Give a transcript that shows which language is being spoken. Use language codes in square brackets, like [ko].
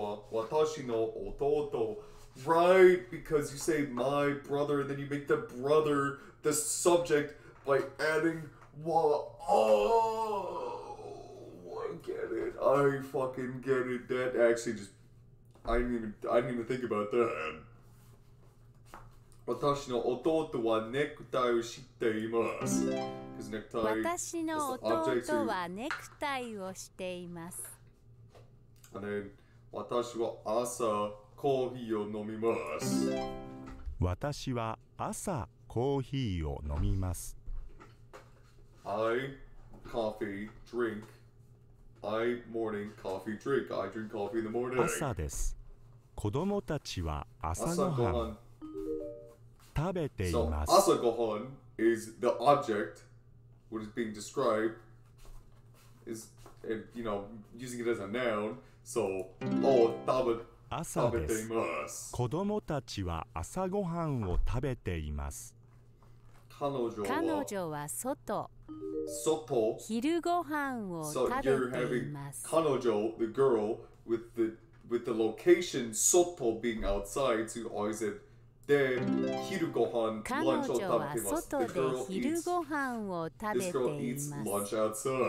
[ja] 私の弟 [en] Right, because you say my brother, then you make the brother the subject by adding wa. Oh, I get it. I fucking get it. That actually just, I didn't even think about that. [ja] 私の弟はネクタイをしています。私の弟はネクタイをしています。私は朝コーヒーを飲みます。私は朝コーヒーを飲みます。 [en] I coffee drink. I morning coffee drink. I drink coffee in the morning. [ja] 朝です。子供たちは朝ごはん。食べています。 [en] So, 朝ごはん is the object, what is being described, is, you know, using it as a noun. So, oh, [ja] 食べています。子供たちは朝ごはんを食べています。彼女は外昼ごはんを食べています。 [en] So, you're having 彼女 the girl with the location 外 being outside, so you always have. [ja] で、昼ごはん、ランチを食べています。彼女は外で昼ごはんを食べています。